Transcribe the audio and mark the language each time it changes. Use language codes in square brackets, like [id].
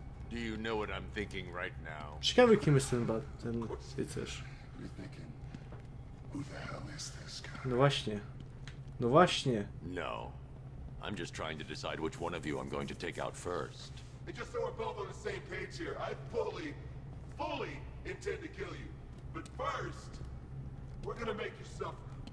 [en] Do you know what I'm thinking right now? [pl] Ciekawe, kim jest ten bat, ten rycerz. [en] You're thinking, who the hell is this guy? [pl] No właśnie. No właśnie. No. [en] I'm just trying to decide which one of you I'm going to take out first. And just so we're both on the same page here, I fully, fully intend to kill you. But first, we're gonna make you suffer.